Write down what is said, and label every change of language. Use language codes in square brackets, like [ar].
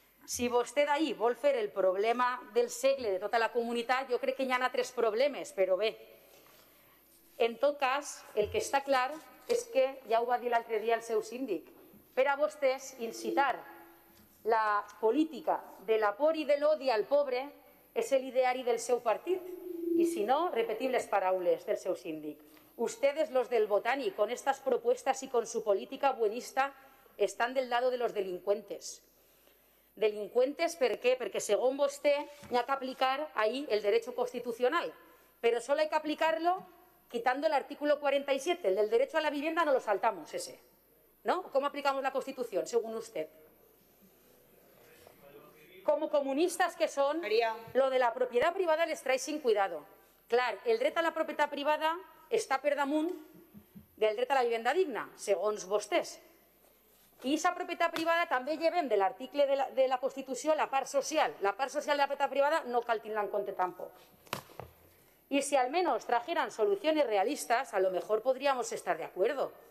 [ca] si vostè d'ahí vol fer el problema del segle de tota la comunitat, jo crec que hi ha altres problemes, però bé. En tot cas, el que està clar és que, ja ho va dir l'altre dia el seu síndic, per a vostès incitar la política de la por i de l'odi al pobre és l'ideari del seu partit. I si no, repetim les paraules del seu síndic. [es] Ustedes, los del Botànic, con estas propuestas y con su política buenista, están del lado de los delincuentes. [ca] Delincuentes, ¿per qué? Perquè, segons vostè, hi ha que aplicar ahí [es] el derecho constitucional. Però solo hay que aplicarlo quitando el artículo 47, el del derecho a la vivienda, no lo saltamos, ese. ¿No? ¿Cómo aplicamos la Constitución, según usted? Como comunistas que son, lo de la propiedad privada les trae sin cuidado. [ca] Clar, el dret a la propietat privada està per damunt del dret a la vivenda digna, segons vostès. I aquesta propietat privada també llevem de l'article de la Constitució la part social. La part social de la propietat privada no cal tindre en compte tampoc. I si almenys trajeran solucions realistes, [es] a lo mejor podríamos estar de acuerdo.